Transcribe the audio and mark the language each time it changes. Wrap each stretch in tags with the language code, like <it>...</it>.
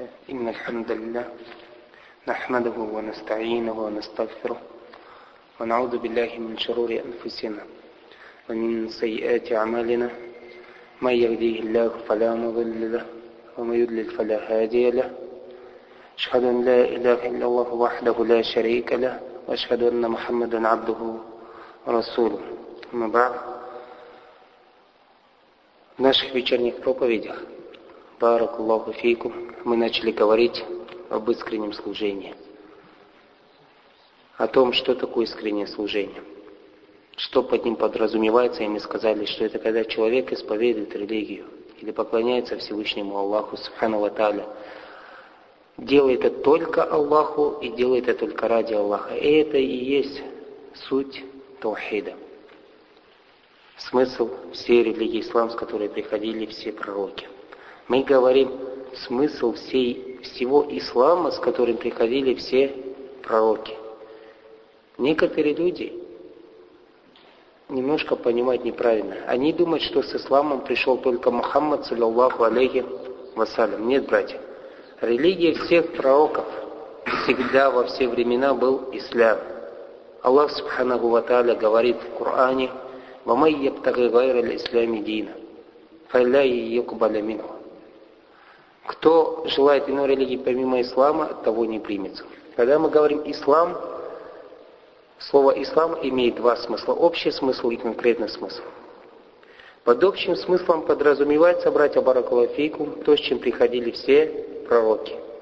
<ar>إن الحمد لله نحمده ونستعينه ونستغفره ونعوذ بالله من شرور أنفسنا ومن سيئات أعمالنا، من يهديه الله فلا مضل له ومن يضلل فلا هادي له. أشهد أن لا إله إلا الله وحده لا شريك له وأشهد أن محمدا عبده ورسوله. أما بعد،</ar> <ru>в наших вечерних проповедях, баракаллаху фикум, мы начали говорить об искреннем служении, о том, что такое искреннее служение, что под ним подразумевается, и мы сказали, что это когда человек исповедует религию или поклоняется Всевышнему Аллаху, субхану ва тааля, делает это только Аллаху и делает это только ради Аллаха. И это и есть суть таухида. Смысл всей религии ислам, с которой приходили все пророки. Мы говорим, смысл всего ислама, с которым приходили все пророки. Некоторые люди немножко понимают неправильно. Они думают, что с исламом пришел только Мухаммад, саллиллаху алейхи вассалям. Нет, братья. Религия всех пророков всегда, во все времена был ислам. Аллах, субханаху ва тааля, говорит в Коране,</ru> <ar>وَمَنْ يَبْتَغِ غَيْرَ الْإِسْلَامِ دِينَ فَلَا يُقْبَلَ مِنْهُ.</ar> <ru>Кто желает иной религии помимо ислама, того не примется. Когда мы говорим «ислам», слово «ислам» имеет два смысла – общий смысл и конкретный смысл. Под общим смыслом подразумевается, братья баракаллаху фикум, то, с чем приходили все пророки.</ru>